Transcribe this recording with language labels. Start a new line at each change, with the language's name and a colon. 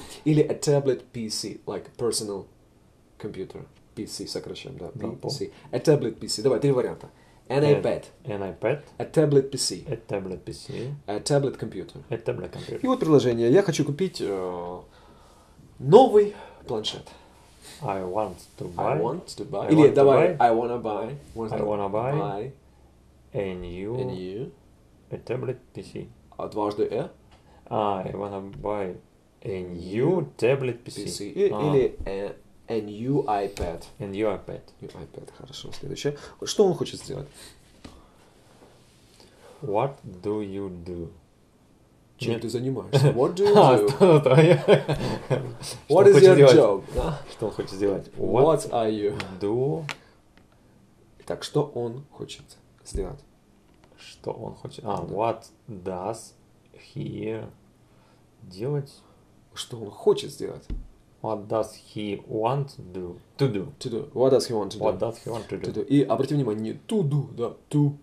English: Или a tablet PC, like personal computer.
Russian: PC сокращаем, да, PC.
English: A tablet PC.
Russian: Давай, три варианта.
English: An iPad. An iPad. A tablet PC. A tablet PC. A tablet computer. A tablet computer.
Russian: И вот предложение. Я хочу купить новый планшет.
English: I want to buy. I want to buy.
Russian: Или давай,
English: I wanna buy. I wanna buy. And you. And you. A tablet PC.
Russian: А дважды E.
English: I wanna buy and you tablet PC.
Russian: Или E.
English: A new iPad. A new iPad. New iPad.
Russian: Хорошо. Следующее. Что он хочет сделать?
English: What do you do?
Russian: Чем ты занимаешься?
English: What do you do? What is your job?
Russian: Что он хочет сделать?
English: What are you? Do.
Russian: Так, что он хочет сделать? Что он хочет?
English: А, what does he
Russian: делать? Что он хочет сделать?
English: What does he want do? To do. To do. What does he want to do? What does he want to do? To do.
Russian: И обрати внимание,
English: to do, да, to,